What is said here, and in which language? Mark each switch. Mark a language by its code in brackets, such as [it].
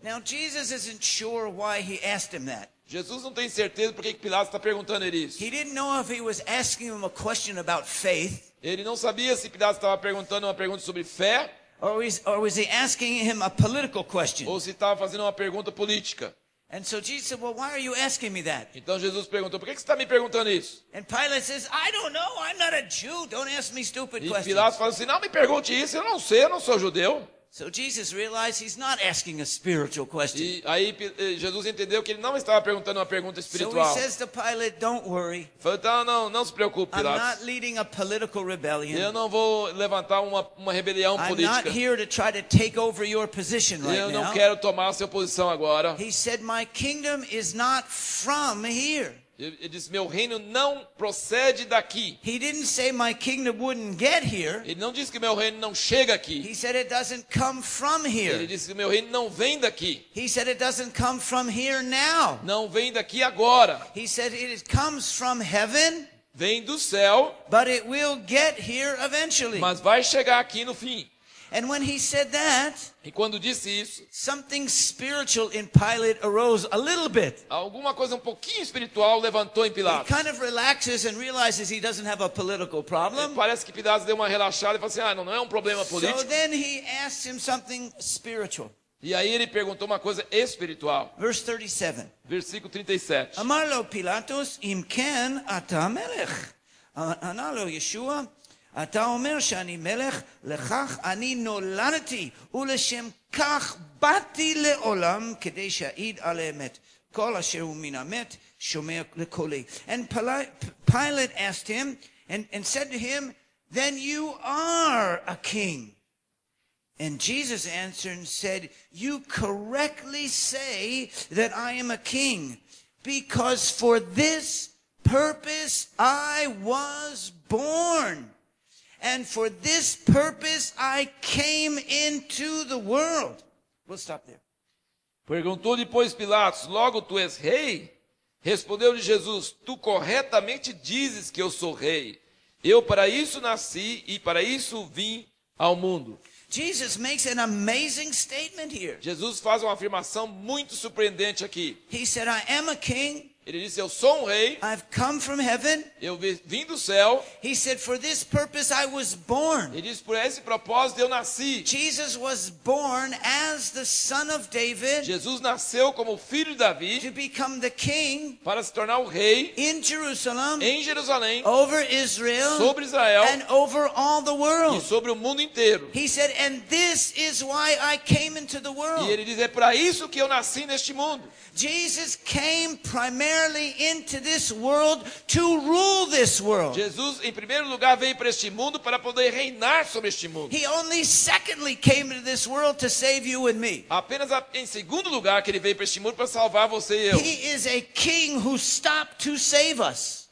[en] Now Jesus isn't sure why he asked him that. [pt] Jesus não tem certeza por que Pilatos está perguntando ele isso. [en] He didn't know if he was asking him a question about faith. [pt] Ele não sabia se Pilatos estava perguntando uma pergunta sobre fé. [en] Or was he asking him a political question? [pt] Ou se estava fazendo uma pergunta política. [en] And so Jesus said, "Well, why are you asking me that?" [pt] Então Jesus perguntou, por que você está me perguntando isso? [en] And Pilate says, "I don't know. I'm not a Jew. Don't ask me stupid questions." [pt] E Pilatos fala assim, não me pergunte isso. Eu não sei. Eu não sou judeu. [en] So Jesus realized he's not asking a spiritual question. [pt] E aí Jesus entendeu que ele não estava perguntando uma pergunta espiritual. [en] So he says to Pilate, "Don't worry." [pt] Falou, não se preocupe, Pilatos. [en] I'm not leading a political rebellion. [pt] Eu não vou levantar uma rebelião política. [en] I'm not here to try to take over your position right now. [pt] Eu não quero tomar a sua posição agora. [en] He said, "My kingdom is not from here." [pt] Ele disse, meu reino não procede daqui. [en] He didn't say my kingdom wouldn't get here. [pt] Ele não disse que meu reino não chega aqui. [en] He said it doesn't come from here. [pt] Ele disse que meu reino não vem daqui. [en] He said it doesn't come from here now. [pt] Não vem daqui agora. [en] He said it comes from heaven. [pt] Vem do céu. [en] But it will get here eventually. [pt] Mas vai chegar aqui no fim. [en] And when he said that, [pt] e quando disse isso, [en] something spiritual in Pilate arose a little bit. [pt] Alguma coisa um pouquinho espiritual levantou em Pilatos. [en] He kind of relaxes and realizes he doesn't have a political problem. [pt] E parece que Pilatos deu uma relaxada e falou assim, não é um problema político. [en] So then he asked him something spiritual. [pt] E aí ele perguntou uma coisa espiritual. [en] Verse 37. [pt] Versículo 37. [he] Amar-lo Pilatos, im ken ata melech. Anar-lo Yeshua. אתה אומר שאני מלך, לכך אני נולדתי, ולשם כך באתי לעולם כדי שאעיד על האמת. כל אשר הוא מן המת שומע לקולי. [en] And Pilate asked him, and said to him, then you are a king. And Jesus answered and said, you correctly say that I am a king, because for this purpose I was born. And for this purpose I came into the world. We'll stop there. [pt] Perguntou depois Pilatos, logo tu és rei? Respondeu-lhe Jesus, tu corretamente dizes que eu sou rei. Eu para isso nasci e para isso vim ao mundo. [en] Jesus makes an amazing statement here. [pt] Jesus faz uma afirmação muito surpreendente aqui. [en] He said, I am a king. [pt] Ele disse, eu sou um rei. [en] I've come from heaven. [pt] Eu vim do céu. [en] He said, for this purpose I was born. [pt] Ele disse, por esse propósito eu nasci. [en] Jesus was born as the son of David. [pt] Jesus nasceu como filho de Davi. [en] To become the king. [pt] Para se tornar o rei. [en] In Jerusalem. [pt] Em Jerusalém. [en] Over Israel. [pt] Sobre Israel. [en] And over all the world. [pt] E sobre o mundo inteiro. [en] He said, and this is why I came into the world. [pt] E ele diz, é para isso que eu nasci neste mundo. [en] Jesus came primarily into this world to rule this world. [pt] Jesus em primeiro lugar veio para este mundo para poder reinar sobre este mundo. [en] He only secondly came into this world to save you and me. [pt] Apenas em segundo lugar que ele veio para este mundo para salvar você e eu. [en] He is a king who stopped to save us.